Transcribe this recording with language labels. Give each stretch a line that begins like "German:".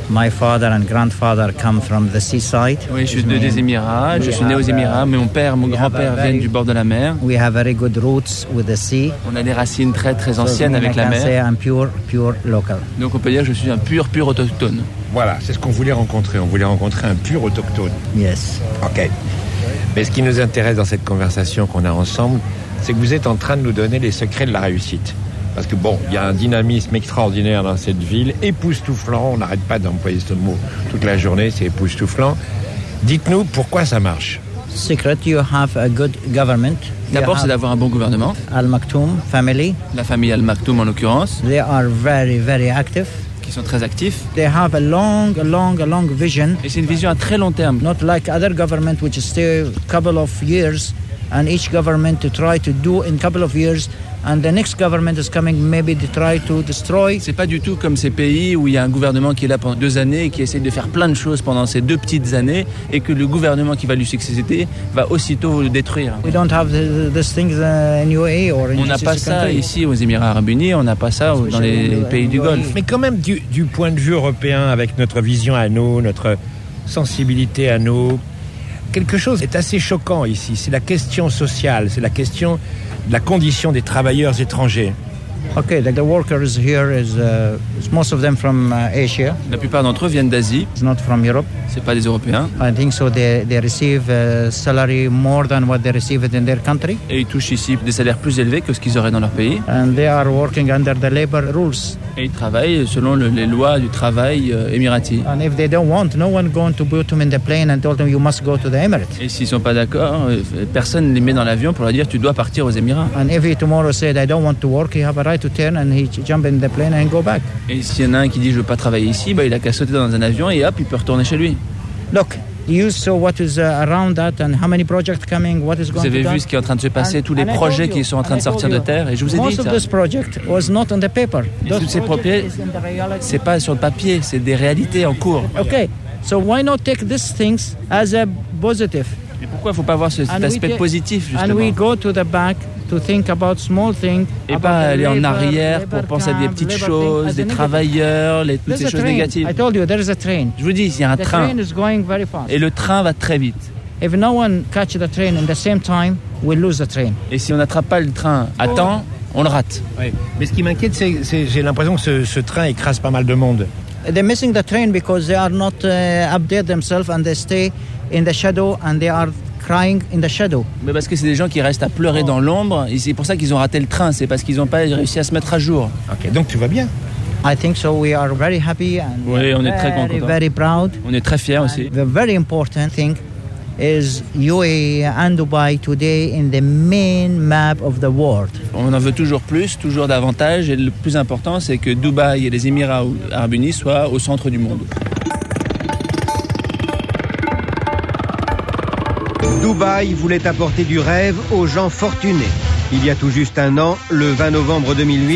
English: My father and grandfather come from the seaside.
French: Oui, je suis né des Émirats. Je suis né aux Émirats, mais mon père, mon grand-père viennent du bord de la mer.
English: We have very good roots with the sea.
French: On a des racines très très anciennes
English: so
French: avec la mer.
English: I can say I'm pure local.
French: Donc on peut dire que je suis un pur autochtone. Voilà, c'est ce qu'on voulait rencontrer. On voulait rencontrer un pur autochtone.
English: Yes. OK.
French: Mais ce qui nous intéresse dans cette conversation qu'on a ensemble, c'est que vous êtes en train de nous donner les secrets de la réussite. Parce que bon, il y a un dynamisme extraordinaire dans cette ville, époustouflant, on n'arrête pas d'employer ce mot toute la journée, c'est époustouflant. Dites-nous pourquoi ça marche.
English: Secret, you have a good government.
French: D'abord, c'est d'avoir un bon gouvernement.
English: Al Maktoum family.
French: La famille Al Maktoum en l'occurrence.
English: They are very, very active.
French: Qui sont très actifs.
English: They have a long vision.
French: Et c'est une vision à très long terme.
English: Not like other government which is still a couple of years, and each government to try to do in a couple of years. And the next government is coming, maybe to try to destroy.
French: C'est pas du tout comme ces pays où il y a un gouvernement qui est là pendant deux années et qui essaie de faire plein de choses pendant ces deux petites années et que le gouvernement qui va lui succéder va aussitôt le détruire.
English: We don't have these things in UAE or in.
French: On n'a pas ça ici aux Émirats Arabes Unis, on n'a pas ça dans les pays du Golfe. Mais quand même, du point de vue européen, avec notre vision à nous, notre sensibilité à nous, quelque chose est assez choquant ici. C'est la question sociale, c'est la question de la condition des travailleurs étrangers.
English: OK, like the workers here is most of them from Asia.
French: La plupart d'entre eux viennent d'Asie.
English: It's not from Europe.
French: C'est pas des Européens.
English: I think so they receive salary more than what they receive in their country.
French: Et ils touchent ici des salaires plus élevés que ce qu'ils auraient dans leur pays.
English: And they are working under the labor rules.
French: Et ils travaillent selon les lois du travail émirati.
English: And if they don't want, no one going to put them in the plane and told them you must go to the Emirates.
French: Et s'ils sont pas d'accord, personne les met dans l'avion pour leur dire tu dois partir aux Émirats.
English: And if tomorrow said I don't want to work, you have a right to turn and he jump in the plane and go back.
French: Et s'il y en a un qui dit je veux pas travailler ici, bah il a qu'à sauter dans un avion et hop, il peut retourner chez lui.
English: Look, you saw what is around that and how many projects coming, what is going to.
French: Vous avez vu ce qui est en train de se passer, tous les projets qui sont en train de sortir de terre, et je vous ai dit ça.
English: Most of this project was not on the paper.
French: Tous ces projets, c'est pas sur le papier, c'est des réalités en cours.
English: Okay, so why not take these things as a positive?
French: Mais pourquoi faut pas voir cet aspect positif justement?
English: And we go to the back. To think about small things,
French: et pas aller en arrière pour penser à des petites choses, des travailleurs, toutes ces choses négatives.
English: I told you, there is a train.
French: Je vous dis, il y a un train.
English: The train is going very fast.
French: Et le train va très vite.
English: If no one catches the train in the same time, we lose the train.
French: Et si on n'attrape pas le train à temps, on le rate. Oui. Mais ce qui m'inquiète, c'est j'ai l'impression que ce train écrase pas mal de monde.
English: They're missing the train because they are not update themselves and they stay in the shadow and they are. Crying in the shadow.
French: Mais parce que c'est des gens qui restent à pleurer dans l'ombre, et c'est pour ça qu'ils ont raté le train, c'est parce qu'ils n'ont pas réussi à se mettre à jour. OK, donc tu vas bien.
English: I think so, we are very happy and
French: oui, on
English: very,
French: est très content.
English: Very proud.
French: On est très fiers
English: and
French: aussi. The very important thing is UAE and Dubai today in the main map of the world. On en veut toujours plus, toujours davantage, et le plus important c'est que Dubaï et les Émirats Arabes Unis soient au centre du monde. Dubaï voulait apporter du rêve aux gens fortunés. Il y a tout juste un an, le 20 novembre 2008,